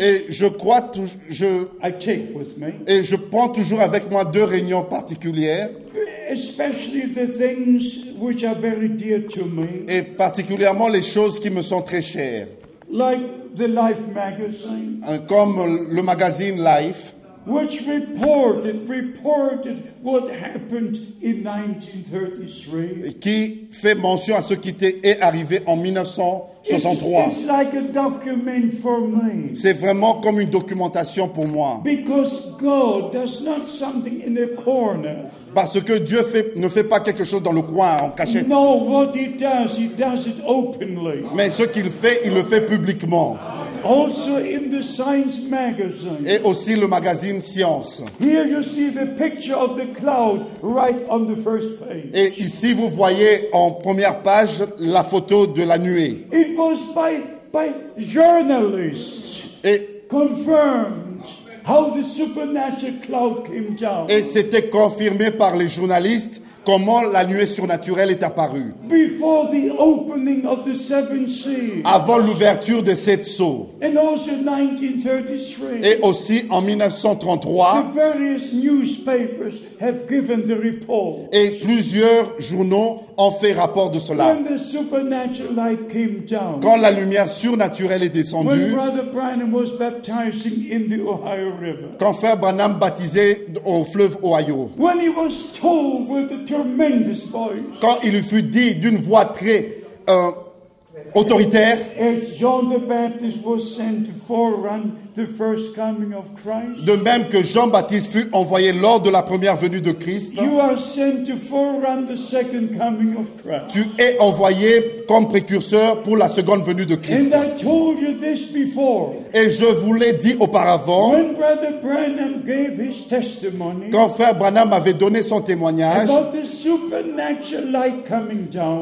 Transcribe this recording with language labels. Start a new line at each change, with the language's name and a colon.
French: Et je prends toujours avec moi deux réunions particulières.
English: Especially the things which are very dear to me.
French: Et particulièrement les choses qui me sont très chères.
English: Like the Life magazine.
French: Comme le magazine Life.
English: which reported what happened in 1933.
French: Qui fait mention à ce qui est arrivé en 1963.
English: It's like a document for me.
French: C'est vraiment comme une documentation pour moi.
English: Because God does not something in a corner.
French: Parce que Dieu ne fait pas quelque chose dans le coin en cachette.
English: No, what he does it openly.
French: Mais ce qu'il fait, il le fait publiquement.
English: Also in the science magazine.
French: Et aussi le magazine Science.
English: Here you see the picture of the cloud right on the first page.
French: Et ici vous voyez en première page la photo de la nuée.
English: It was by journalists.
French: Et
English: confirmed how the supernatural cloud came down.
French: Et c'était confirmé par les journalistes comment la nuée surnaturelle est apparue.
English: Before the opening of the seven seas.
French: Avant l'ouverture des sept sceaux.
English: And also 1933.
French: Et aussi en 1933.
English: The various newspapers have given the report.
French: Et plusieurs journaux ont fait rapport de cela.
English: When the supernatural light came down.
French: Quand la lumière surnaturelle est descendue.
English: When Brother Branham was baptizing in the Ohio River.
French: Quand Frère Branham baptisait au fleuve Ohio.
English: When he was told with the tremendous voice.
French: Quand il fut dit d'une voix très autoritaire.
English: As John the Baptist was sent to forerun the first coming of Christ.
French: De même que Jean-Baptiste fut envoyé lors de la première venue de Christ.
English: You are sent to forerun the second coming of Christ.
French: Tu es envoyé comme précurseur pour la seconde venue de Christ.
English: And I told you this before.
French: Et je vous l'ai dit auparavant.
English: When Brother Branham gave his testimony.
French: Quand Frère Branham avait donné son témoignage.
English: About the supernatural light coming down.